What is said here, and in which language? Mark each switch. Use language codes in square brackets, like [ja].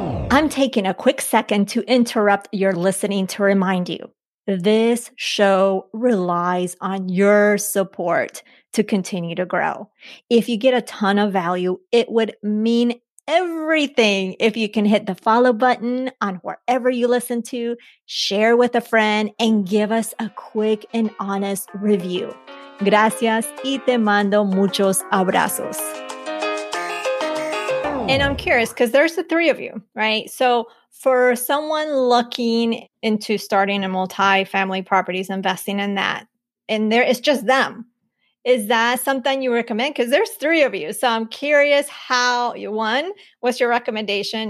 [en] I'm taking a quick second to interrupt your listening to remind you, this show relies on your support to continue to grow. If you get a ton of value, it would mean everything if you can hit the follow button on wherever you listen to, share with a friend, and give us a quick and honest review. [es] Gracias y te mando muchos abrazos. [en] And I'm curious, because there's the three of you, right? So for someone looking into starting a multifamily properties, investing in that, and there it's just them. Is that something you recommend? Because there's three of you. So I'm curious how you, one, what's your recommendation?